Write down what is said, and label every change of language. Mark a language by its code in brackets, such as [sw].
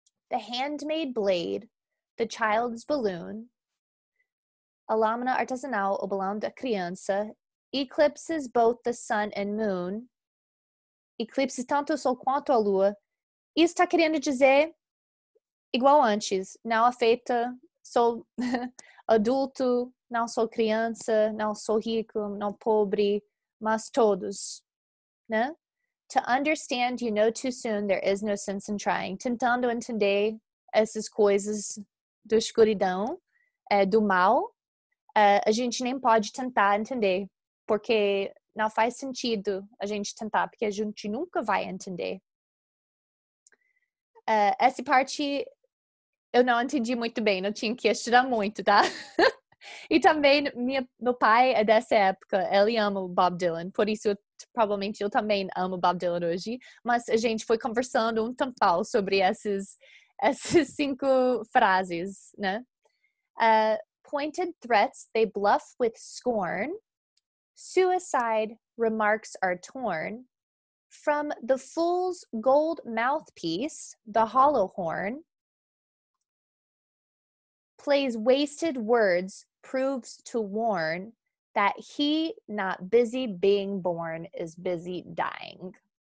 [en] The handmade blade, the child's balloon, [pt] a lâmina artesanal, o balão da criança, [en] eclipses both the sun and moon, [pt] eclipses tanto o sol quanto a lua. Isso está querendo dizer, igual antes, não afeta só adulto, não sou criança, não sou rico, não pobre, mas todos, né? [en] To understand, you know too soon, there is no sense in trying. [pt] Tentando entender essas coisas do escuridão, do mal, a gente nem pode tentar entender, porque não faz sentido a gente tentar, porque a gente nunca vai entender. Essa parte eu não entendi muito bem, não tinha que estudar muito, tá? E também, meu pai é dessa época, ele ama Bob Dylan, por isso provavelmente eu também amo Bob Dylan hoje. Mas a gente foi conversando um tempão sobre essas cinco frases, né? [en] Pointed threats, they bluff with scorn. Suicide, remarks are torn. from the fool's gold mouthpiece, the hollow horn, plays wasted words, proves to warn that he, not busy being born, is busy dying.